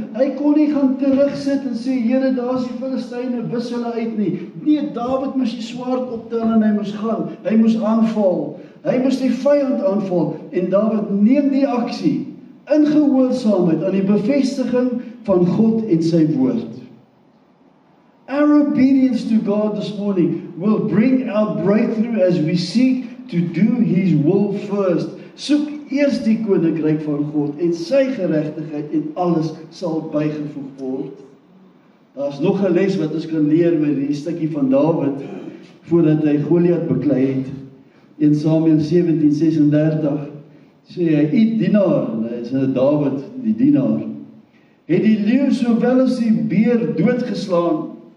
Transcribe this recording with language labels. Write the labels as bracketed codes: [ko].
[af] Hy kon nie gaan terugsit en sê: "Here, daar's die Filistyne, wis hulle uit nie." Nee, Dawid moes die swaard optel en hy moes gaan. Hy moes aanval. Hy moes die vyand aanval en Dawid neem die aksie in gehoorsaamheid aan die bevestiging van God en sy woord. [en] Our obedience to God this morning will bring our breakthrough as we seek to do His will first. [af] Soek eers die koninkryk van God en sy geregtigheid en alles sal bygevoeg word. Daar's nog 'n les wat ons kan leer met hierdie stukkie van Dawid voordat hy Goliat beklei het. In Samuel 17:36 sê hy: "U dienaar," hy is Dawid, die dienaar, "het die leeu sowel as die beer doodgeslaan."